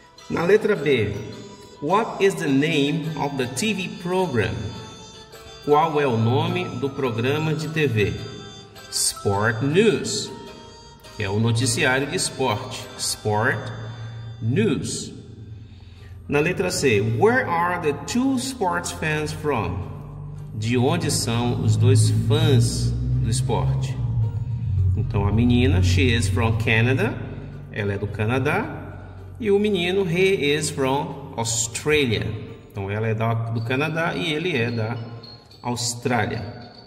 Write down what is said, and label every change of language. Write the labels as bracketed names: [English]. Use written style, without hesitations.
[Portuguese] Na letra B, [English] what is the name of the TV program? [Portuguese] Qual é o nome do programa de TV? Sport News, que é o noticiário de esporte. Sport News. Na letra C, [English] where are the two sports fans from? [Portuguese] De onde são os dois fãs do esporte? Então a menina, [English] she is from Canada. [Portuguese] Ela é do Canadá. E o menino, [English] he is from Austrália. [Portuguese] Então ela é do Canadá e ele é da Austrália.